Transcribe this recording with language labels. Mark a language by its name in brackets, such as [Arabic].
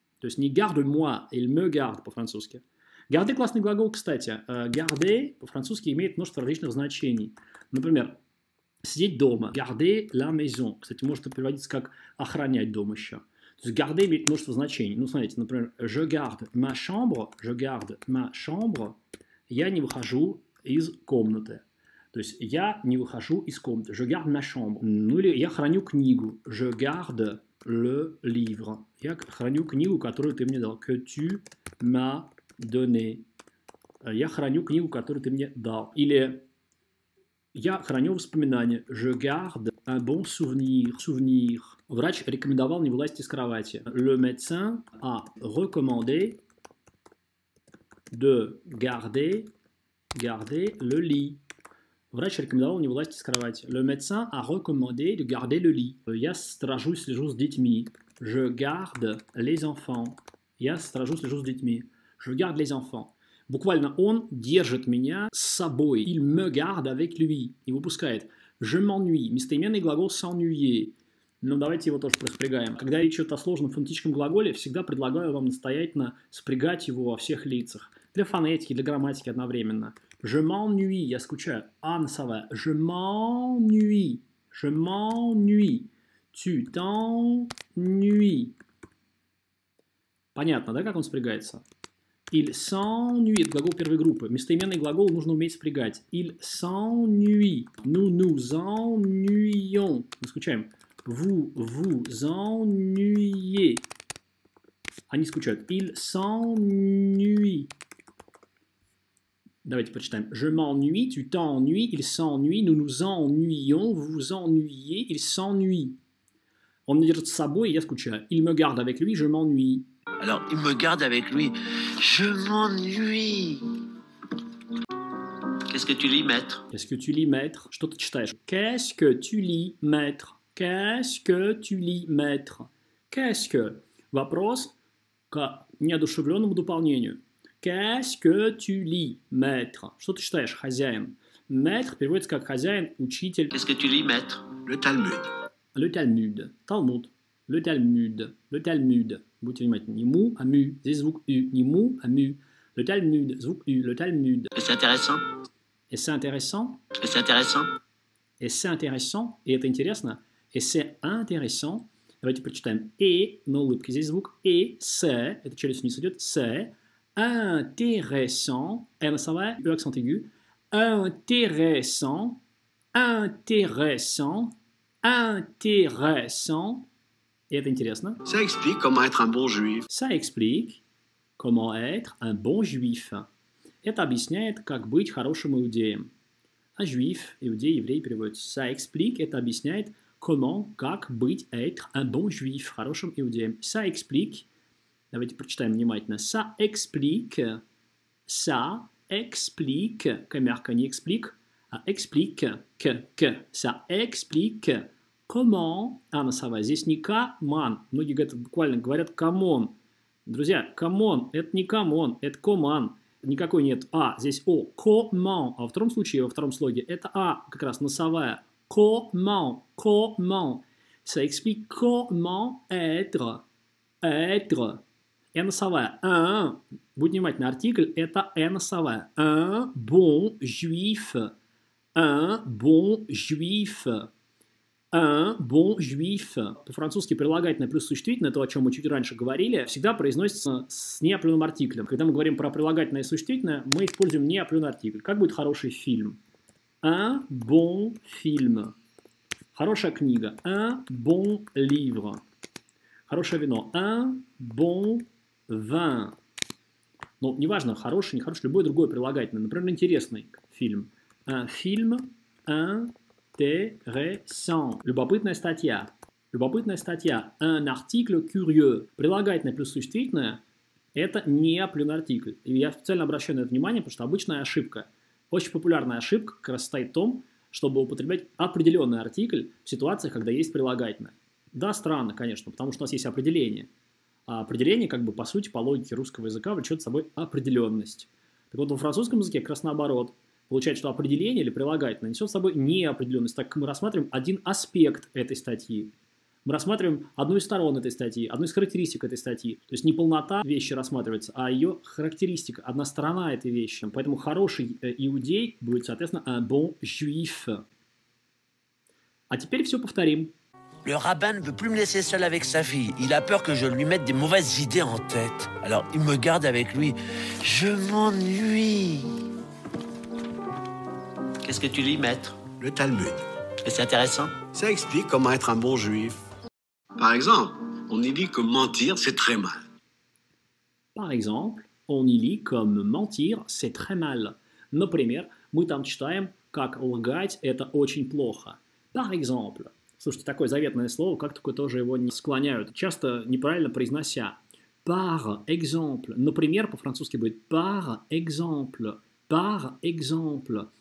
[Russian] То есть не [French] «garde moi», «il me garde» [Russian] по-французски. «Garder» – классный глагол, кстати. «Garder» по-французски имеет множество различных значений. Например, «сидеть дома». [French] «Garder la maison». [Russian] Кстати, может это переводиться как «охранять дом еще». То есть «garder» имеет множество значений. Ну, смотрите, например, [French] «je garde ma chambre», [Russian] «je garde ma chambre», «я не выхожу из комнаты». То есть «я не выхожу из комнаты», [French] «je garde ma chambre». [Russian] Ну или «я храню книгу», [French] «je garde le livre», [Russian] «я храню книгу, которую ты мне дал», [French] «que tu m'as donné», [Russian] «я храню книгу, которую ты мне дал», или «я храню воспоминания», [French] «je garde un bon souvenir», [Russian] «souvenir». Врач рекомендовал не вылазить из кровати, [French] «le médecin a recommandé de garder, garder le lit». [Russian] Врач рекомендовал не вылазить из кровати. [French] «Le médecin a recommandé de garder le lit». [Russian] «Я сторожу и слежу с детьми». [French] «Je garde les enfants». [Russian] «Я сторожу и слежу с детьми». [French] «Je garde les enfants». [Russian] Буквально «он держит меня с собой». [French] «Il me garde avec lui». [Russian] Не выпускает. [French] «Je m'ennuie». [Russian] Местоименный глагол «s'ennuyer». Но давайте его тоже проспрягаем. Когда речь идет о сложном фонетическом глаголе, всегда предлагаю вам настоятельно спрягать его во всех лицах. Для фонетики, для грамматики одновременно. [French] «Je m'ennuie», [Russian] я скучаю, [French] «а» [Russian] носовая, [French] «je m'ennuie», «je m'ennuie», «tu t'ennuie». [Russian] Понятно, да, как он спрягается? [French] «Il s'ennuie» [Russian] – это глагол первой группы. Местоименный глагол нужно уметь спрягать. [French] «Il s'ennuie», «nous nous ennuyons», [Russian] мы скучаем, [French] «vous vous ennuyez», [Russian] они скучают, [French] «il s'ennuie». [Russian] Давайте прочитаем. [French] «Je m'ennuie», «tu t'ennuies», «il s'ennuie», «nous nous ennuyons», «vous vous ennuyez», «il s'ennuie». [Russian] «Он меня держит с собой», «я скучаю», [French] «il me garde avec lui», «je m'ennuie». Alors, «il me garde avec lui», «je m'ennuie». «Qu'est-ce que tu lis, maître?» «Qu'est-ce que tu lis, maître?» [Russian] Что ты читаешь? [French] «Qu'est-ce que tu lis, maître?» «Qu'est-ce que tu lis, maître?» «Qu'est-ce que?» [Russian] Вопрос к неодушевленному дополнению. [French] «Qu'est-ce que tu lis, maître?» [Russian] Что ты читаешь, хозяин? «Maître» переводится как «хозяин», «учитель». [French] «Qu'est-ce que tu lis, maître?» «Le Talmud». «Le Talmud». [Russian] «Талмуд». «Le Talmud». «Le Talmud». Будьте внимательны. «Не му», а «му». Здесь звук «у». «Не му», а «му». [French] «Le Talmud». [Russian] Звук «у». «Le Talmud». [French] «Et c'est intéressant?» «Et c'est intéressant?» «Et c'est intéressant?» «Et c'est intéressant?» [Russian] «Et это интересно?» [French] «Et c'est intéressant?» [Russian] Давайте прочитаем. «Et» на улыбке. Здесь звук «et», «c'est». Это челюсть вниз идет. «C'est». [French] Intéressant, elle ça va, le accent aigu. Intéressant, intéressant, intéressant. Et c'est intéressant. Ça explique comment être un bon juif. Ça explique comment être un bon juif. [Russian] Это объясняет, как быть хорошим иудеем. [French] Un juif, [Russian] иудей, еврей, переводит. [French] Ça explique, [Russian] это объясняет, [French] comment, [Russian] как быть, [French] être un bon juif, [Russian] хорошим иудеем. [French] Ça explique. [Russian] Давайте прочитаем внимательно. Ça explique, ça explique, камерка не explique, а explique, que, ça explique, comment, а носовая, здесь не command, многие говорят, буквально говорят come on. Друзья, come on, это не come on, это command, никакой нет а, здесь о, comment, а во втором случае, во втором слоге, это а, как раз носовая, comment, comment, ça explique comment être, être. Н-носовая. Un. Будь внимательный, артикль – это Н-носовая. [French] Un bon juif. Un bon juif. Un bon juif. [Russian] По-французски прилагательное плюс существительное, то, о чем мы чуть раньше говорили, всегда произносится с неопленным артиклем. Когда мы говорим про прилагательное и существительное, мы используем неопленный артикль. Как будет хороший фильм? [French] Un bon film. [Russian] Хорошая книга. [French] Un bon livre. [Russian] Хорошее вино. [French] Un bon vin. [Russian] Ну, неважно, хороший, нехороший, любое другое прилагательное. Например, интересный фильм. [French] Un film intéressant. [Russian] Любопытная статья. Любопытная статья. [French] Un article curieux. [Russian] Прилагательное плюс существительное – это не плюнартикль. И я специально обращаю на это внимание, потому что обычная ошибка. Очень популярная ошибка как раз стоит в том, чтобы употреблять определенный артикль в ситуациях, когда есть прилагательное. Да, странно, конечно, потому что у нас есть определение. А определение, как бы, по сути, по логике русского языка, влечет с собой определенность. Так вот, во французском языке как раз наоборот. Получается, что определение или прилагательное несет с собой неопределенность, так как мы рассматриваем один аспект этой статьи. Мы рассматриваем одну из сторон этой статьи, одну из характеристик этой статьи. То есть не полнота вещи рассматривается, а ее характеристика, одна сторона этой вещи. Поэтому хороший иудей будет, соответственно, [French] un bon juif. [Russian] А теперь все повторим. [French] Le rabbin ne veut plus me laisser seul avec sa fille. Il a peur que je lui mette des mauvaises idées en tête. Alors il me garde avec lui. Je m'ennuie. Qu'est-ce que tu lis, maître? Le Talmud. Et c'est intéressant? Ça explique comment être un bon juif. Par exemple, on y lit que mentir, c'est très mal. Par exemple, on y lit comme mentir, c'est très mal. [Russian] Например, мы там читаем, как лгать – это очень плохо. [French] Par exemple. [Russian] Слушайте, такое заветное слово, как такое тоже его не склоняют, часто неправильно произнося. [French] Par exemple. [Russian] Например, по-французски будет [French] par exemple. Par exemple.